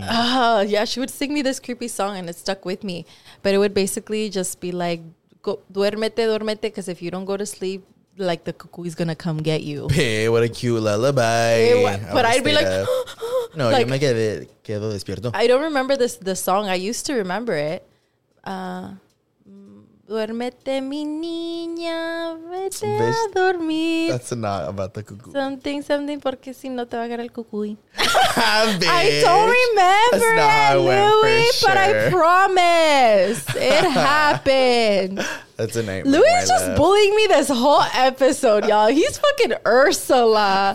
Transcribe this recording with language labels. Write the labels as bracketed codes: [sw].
[en] Yeah, she would sing me this creepy song and it stuck with me. But it would basically just be like, go, duérmete, duérmete, because if you don't go to sleep, like, the cuckoo's gonna come get you. Hey, what a cute lullaby. But I'd be like, [es] no, like, yo me quedo despierto. [en] I don't remember the song. I used to remember it. [es] Duérmete, mi niña, vete a dormir. [en] That's not about the cuckoo. [es] Something, something, porque si no te va a agarrar el cuckoo. [en] Bitch. I don't remember it, Louis, but sure. I promise it happened. That's a nightmare. Louis is just bullying me this whole episode, y'all. He's fucking Ursula.